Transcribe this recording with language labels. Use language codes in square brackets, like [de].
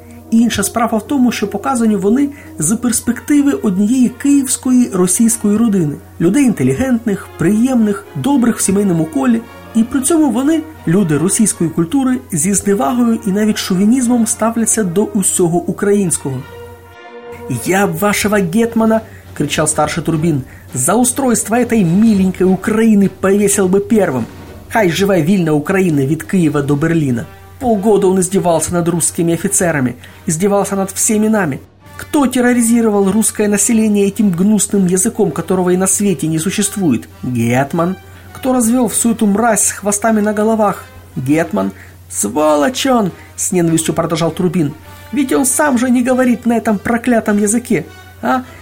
[uk] Інша справа в тому, що показані вони з перспективи однієї київської російської родини. Людей інтелігентних, приємних, добрих в сімейному колі. І при цьому вони, люди російської культури, зі зневагою і навіть шовінізмом ставляться до усього українського. «Я б вашого гетьмана, – кричав старший Турбін, [ru] – за устройство этой миленькой Украины повесил бы первым. [uk] Хай живе вільна Україна від Києва до Берліна. [ru] Полгода он издевался над русскими офицерами, издевался над всеми нами. Кто терроризировал русское население этим гнусным языком, которого и на свете не существует? Гетман. Кто развел всю эту мразь с хвостами на головах? Гетман. Сволочь он! – с ненавистью продолжал Турбин. Ведь он сам же не говорит на этом проклятом языке. А?